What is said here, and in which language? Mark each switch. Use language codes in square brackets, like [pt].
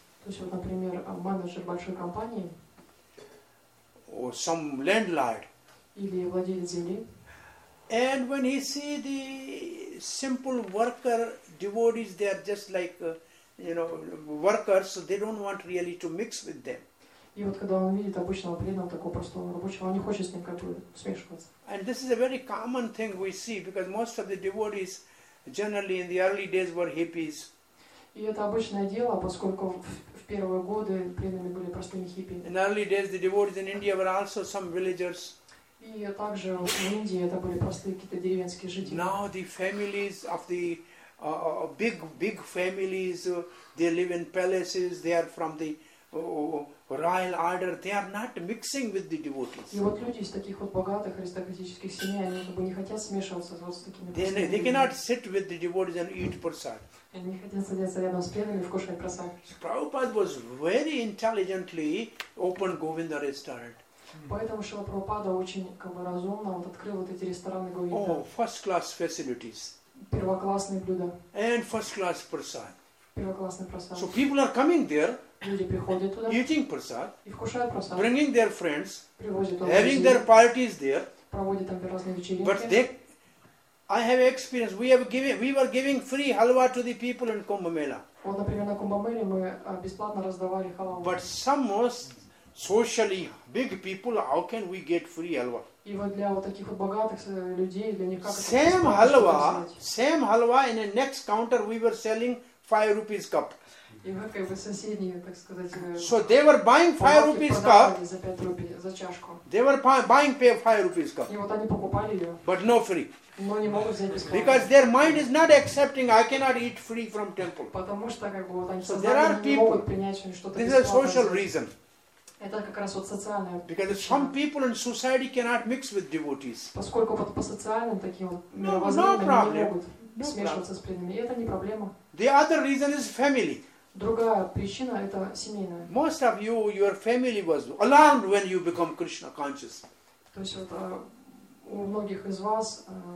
[ru] То есть, вот, например, менеджер большой компании. [en] Or some landlord. [ru] Или владелец земли. [en] And when he see the simple worker devotees, they are just like you know, workers, so they don't want really to mix with them. [ru] И вот когда он видит обычного преданного, такого простого рабочего, он не хочет с ним как-то смешиваться. [en] And this is a very common thing we see, because most of the devotees generally in the early days were hippies. [ru] И это обычное дело, поскольку в первые годы преданные были простыми хиппи. [en] In early days, the devotees in India were also some villagers. [ru] И также в Индии это были простые какие-то деревенские жители. [en] Now the families of the big families, they live in palaces, they are from the royal order, they are not mixing with the devotees. [ru] И вот люди из таких вот богатых аристократических семей, они как бы не хотят смешиваться вот с такими простыми людьми. [en] They cannot sit with the devotees and eat prasad. [ru] Они не хотят садиться рядом с преданными и вкушать прасад. [en] Prabhupada was very intelligently opened Govinda restaurant. [ru] Поэтому Шрила Прабхупада очень как бы разумно вот открыл вот эти рестораны Говинда. [en] Oh, first class facilities. [ru] Первоклассные блюда. [en] And first class prasad. [ru] Первоклассный прасад. [en] So people are coming there. [ru] Люди приходят туда. [en] Eating prasad. [ru] И вкушают прасад. [en] Bringing their friends. [ru] Привозят друзей. [en] Having their parties there. [ru] Проводят там разные вечеринки. [en] But they, I have experience. We were giving free halwa to the people in Kumbh Mela. [ru] Вот, например, на Кумбх Меле мы бесплатно раздавали халва. [en] But some most socially big people, how can we get free halwa? [ru] И вот для вот таких вот богатых людей, для них как это [en] same halwa in the next counter we were selling 5 rupees cup. [ru] И вот как бы соседние, так сказать, [en] so they were buying 5 rupees cup. [ru] За 5 рупий, за чашку. [en] They were buying 5 rupees cup. [ru] И вот они покупали ее. [en] But no free. [ru] Но не могут взять бесплатно. [en] Because their mind is not accepting, I cannot eat free from temple. [ru] Потому что как бы вот они сознательно не могут принять что-то бесплатно. [en] This is a social reason. [ru] Это как раз вот социальная причина. [en] Because some people in society cannot mix with devotees. [ru] Поскольку вот по социальным таким вот мировоззрениям они не могут смешиваться с преданными. И это не проблема. [en] The other reason is family. [ru] Другая причина это семейная. [en] Most of you, your family was alarmed when you become Krishna conscious. [ru] То есть вот у многих из вас